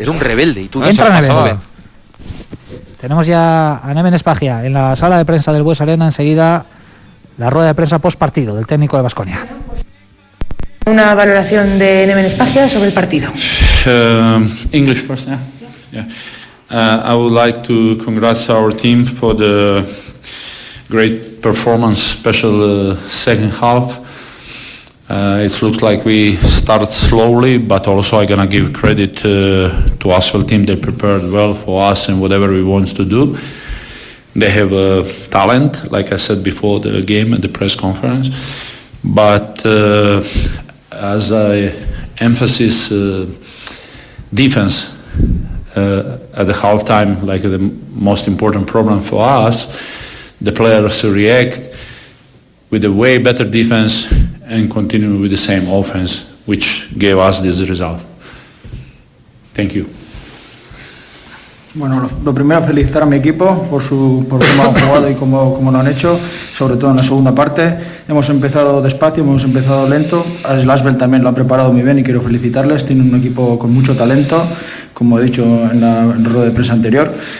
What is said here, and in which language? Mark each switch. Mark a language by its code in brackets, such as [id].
[es] Era un rebelde, Itudis. Entra Neve. Tenemos ya a Neve Espagia en la sala de prensa del Bues Arena. Enseguida la rueda de prensa post partido del técnico de Baskonia. Una valoración de Neven Espagia sobre el partido. [en] English first, yeah. I would like to congratulate our team for the great performance, special second half. It looks like we start slowly, but also I'm gonna give credit to Asvel team. They prepared well for us and whatever we want to do. They have a talent, like I said before the game and the press conference, but as I emphasize defense at the halftime, like the most important problem for us, the players react with a way better defense and continue with the same offense, which gave us this result. Thank you. [es] Bueno, lo primero, felicitar a mi equipo por cómo han jugado y cómo lo han hecho, sobre todo en la segunda parte. Hemos empezado despacio, hemos empezado lento. El Asvel también lo ha preparado muy bien y quiero felicitarles. Tienen un equipo con mucho talento, como he dicho en la rueda de prensa anterior.